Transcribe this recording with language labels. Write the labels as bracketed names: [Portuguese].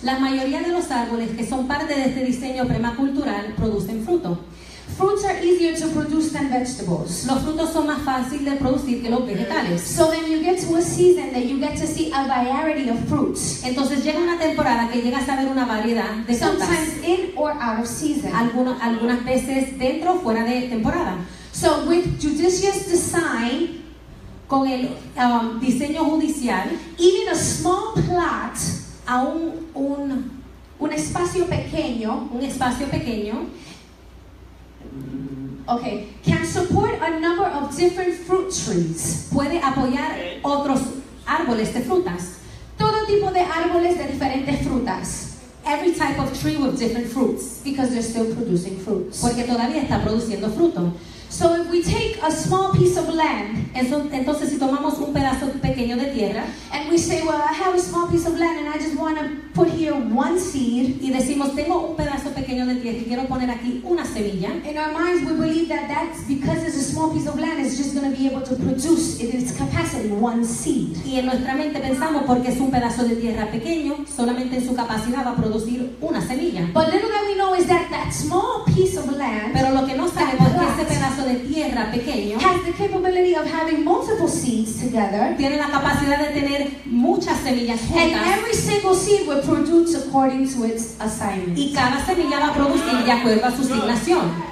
[Spanish] La mayoría de los árboles que son parte de este diseño permacultural producen fruto. [English] Fruits are easier to produce than vegetables. [Spanish] Los frutos son más fáciles de producir que los vegetales. [English] So then you get to a season that you get to see a variety of fruits. [Spanish] Entonces llega una temporada que llegas a ver una variedad de frutas. [English] Sometimes in or out of season. [Spanish] Algunas veces dentro o fuera de temporada. [English] So with judicious design, [Spanish] con el diseño judicial, [English] even a small plot, [Spanish] a un espacio pequeño, [English] okay, can support a number of different fruit trees. [Spanish] Puede apoyar otros árboles de frutas. Todo tipo de árboles de diferentes frutas. [English] Every type of tree with different fruits, because they're still producing fruits. [Spanish] Porque todavía está produciendo fruto. [English] So if we take a small piece of land, [Spanish] entonces si tomamos un pedazo pequeño de tierra, [English] and we say, well, I have a small piece of land and I just want to put here one seed, [Spanish] y decimos tengo un pedazo pequeño de tierra y quiero poner aquí una semilla, [English] in our minds we believe that that's because it's a small piece of land, it's just going to be able to produce in its capacity one seed. [Spanish] Y en nuestra mente pensamos porque es un pedazo de tierra pequeño, solamente en su capacidad va a producir una semilla. [English] But little that we know is that that small piece of land, [Spanish] pero lo que no sabemos es que ese pedazo de tierra pequeño, [English] has the capability of having multiple seeds together, [Spanish] tiene la capacidad de tener muchas semillas juntas. [English] And every single seed will produce according to its assignment. [Spanish] Y cada semilla va a producir de acuerdo a su asignación.